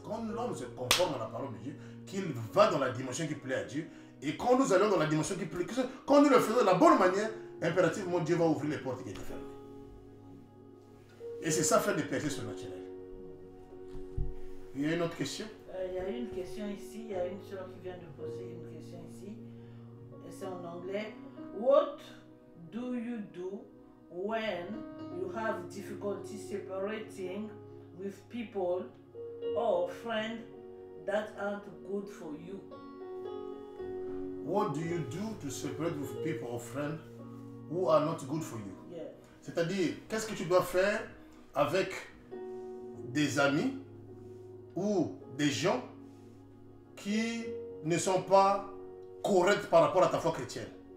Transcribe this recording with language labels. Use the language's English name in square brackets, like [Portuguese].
[French] Quand l'homme se conforme à la parole de Dieu, qu'il va dans la dimension qui plaît à Dieu, et quand nous allons dans la dimension qui plaît, quand nous le faisons de la bonne manière, impérativement Dieu va ouvrir les portes qui étaient fermées. Et c'est ça faire des percées surnaturelles. Il y a une autre question? Il y a une question ici, il y a une soeur qui vient de poser une question ici. Et c'est en anglais. [English] What do you do when you have difficulty separating with people or friends that aren't good for you? What do you do to separate with people or friends who are not good for you. [French] C'est-à-dire, qu'est-ce que tu dois faire avec des amis ou des gens qui ne sont pas corrects par rapport à ta foi chrétienne?